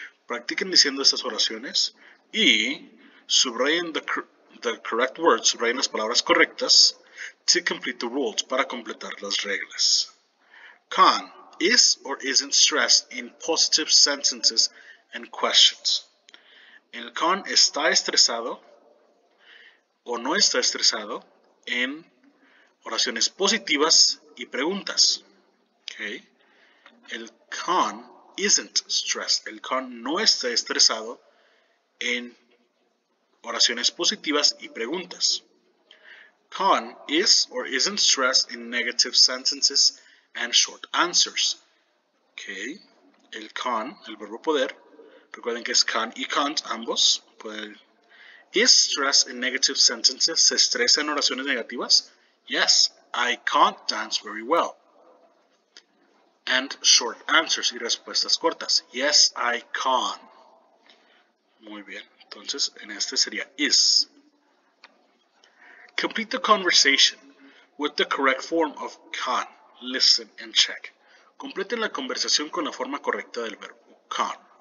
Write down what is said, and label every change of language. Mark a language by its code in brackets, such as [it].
[es] Practiquen diciendo estas oraciones y subrayen [en] the correct words, [es] subrayen las palabras correctas [en] to complete the rules, [es] para completar las reglas. [en] Can, is or isn't stressed in positive sentences and questions. [es] El can está estresado o no está estresado en oraciones positivas y preguntas. Okay. El can [en] isn't stressed. [es] El can no está estresado en oraciones positivas y preguntas. [en] Can is or isn't stressed in negative sentences and short answers. Okay. [es] El can, el verbo poder, recuerden que es can y can't, ambos. [en] Is stressed in negative sentences, [es] se estresa en oraciones negativas. [en] Yes, I can't dance very well. And short answers, [es] y respuestas cortas. [en] Yes, I can. [es] Muy bien. Entonces, en este sería is. [en] Complete the conversation with the correct form of can. Listen and check. [es] Completen la conversación con la forma correcta del verbo can.